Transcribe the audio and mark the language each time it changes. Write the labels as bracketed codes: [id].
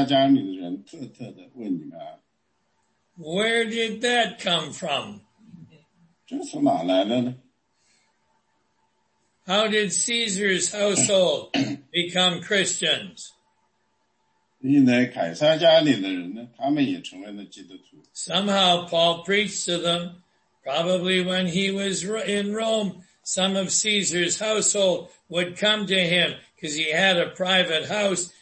[zh] 所以第二句就是说,众圣徒都问你们安,在凯撒家里的人特特地问你们安。 [en] Where did that come from? [zh] 这从哪来的呢? [en] How did Caesar's household become Christians? [zh] 因为凯撒家里的人呢,他们也成为了基督徒。 [en] Somehow Paul preached to them, probably when he was in Rome, some of Caesar's household would come to him because he had a private house.